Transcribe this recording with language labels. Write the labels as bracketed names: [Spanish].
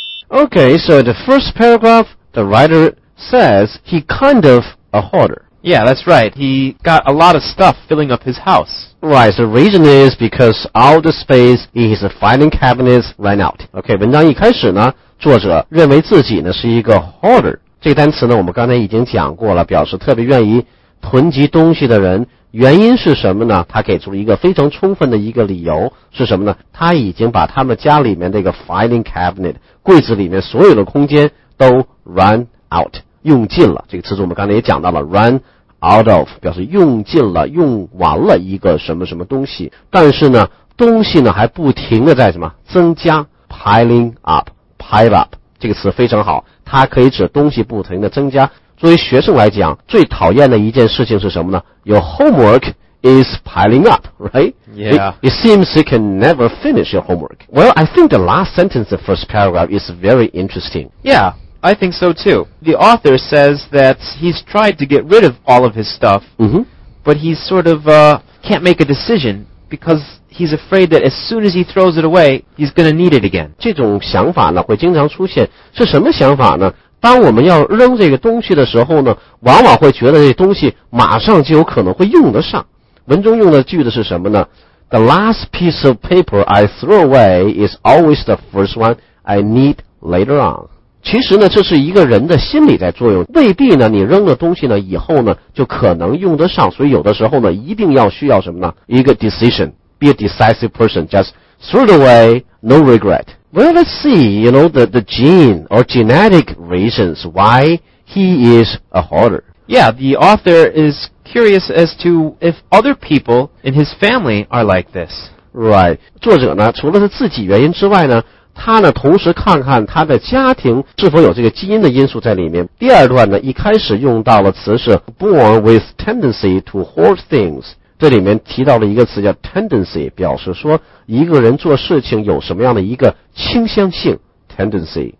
[English] Okay, so in the first paragraph, the writer says he kind of a hoarder. Yeah, that's right. He got a lot of stuff filling up his house. Right, the reason is because all the space in his filing cabinets ran out. [Chinese] Okay, 文章一开始呢，作者认为自己呢是一个 hoarder。这个单词呢，我们刚才已经讲过了，表示特别愿意囤积东西的人。原因是什么呢？他给出了一个非常充分的一个理由，是什么呢？他已经把他们家里面那个 filing cabinet 柜子里面所有的空间都 run out。用尽了，这个词组我们刚才也讲到了 run out of， 表示用尽了，用完了一个什么什么东西，但是呢东西呢还不停的在什么增加， [English] piling up， pile up， [Chinese] 这个词非常好，它可以指东西不停的增加。作为学生来讲，最讨厌的一件事情是什么呢？ [English] Your homework is piling up， right？ Yeah. It seems you can never finish your homework. Well, I think the last sentence of the first paragraph is very interesting. Yeah. I think so too. The author says that he's tried to get rid of all of his stuff, but he's sort of, can't make a decision because he's afraid that as soon as he throws it away, he's going to need it again. [Chinese] 这种想法呢会经常出现。是什么想法呢？当我们要扔这个东西的时候呢，往往会觉得这东西马上就有可能会用得上。文中用的句子是什么呢？ [English] The last piece of paper I throw away is always the first one I need later on. [Chinese] 其实呢这是一个人的心理在作用，未必呢你扔的东西呢以后呢就可能用得上，所以有的时候呢一定要需要什么呢，一个 decision， [English] be a decisive person， just throw it away， no regret。 Well, let's see, you know, the gene or genetic reasons why he is a hoarder. Yeah, the author is curious as to if other people in his family are like this. [Chinese] Right, 作者呢除了是自己原因之外呢，他呢同时看看他的家庭是否有这个基因的因素在里面。第二段呢一开始用到了词是 [English] born with tendency to hoard things， [Chinese] 这里面提到了一个词叫 tendency， 表示说一个人做事情有什么样的一个倾向性 tendency。